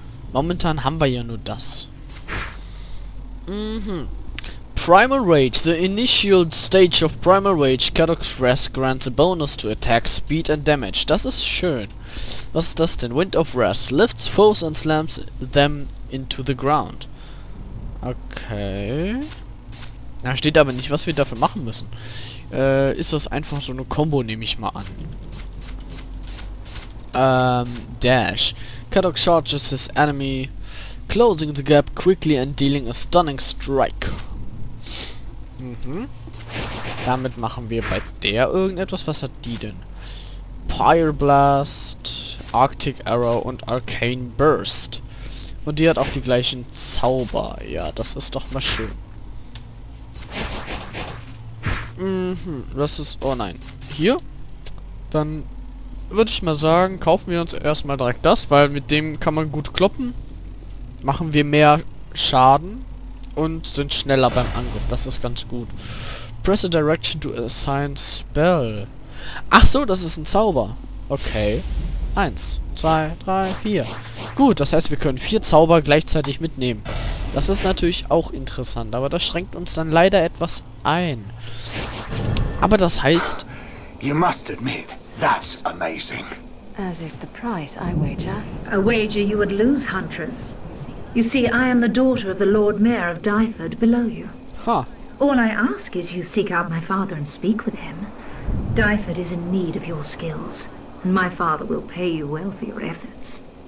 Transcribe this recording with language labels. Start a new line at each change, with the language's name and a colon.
German: Momentan haben wir ja nur das. Mhm. Primal Rage.
English: The initial stage of Primal Rage, Cadox Wrath, grants a bonus to attack, speed and damage.
German: Das ist schön. Was ist das denn?
English: Wind of Wrath lifts foes and slams them into the ground. Okay.
German: Da steht aber nicht, was wir dafür machen müssen. Ist das einfach so eine Combo, nehme ich mal an.
English: Dash. Cadox charges his enemy, closing the gap quickly and dealing a stunning strike. Mhm.
German: Damit machen wir bei der irgendetwas. Was hat die denn? Pyre Blast, Arctic Arrow und Arcane Burst. Und die hat auch die gleichen Zauber. Ja, das ist doch mal schön. Mhm. Das ist... Oh nein. Hier? Dann würde ich mal sagen, kaufen wir uns erstmal direkt das, weil mit dem kann man gut kloppen. Machen wir mehr Schaden. Und sind schneller beim Angriff. Das ist ganz gut.
English: Press a direction to assign spell.
German: Ach so, das ist ein Zauber. Okay. 1, 2, 3, 4. Gut, das heißt, wir können 4 Zauber gleichzeitig mitnehmen. Das ist natürlich auch interessant. Aber das schränkt uns dann leider etwas ein. Aber das heißt...
English: You must admit, that's amazing. As is the price, I wager. A wager you would lose, Huntress. You see, I am the daughter of the Lord Mayor of Dyford below you. Huh. All I ask is you seek out my father and speak with him. Dyford is in need of your skills, and my father will pay you well for your efforts.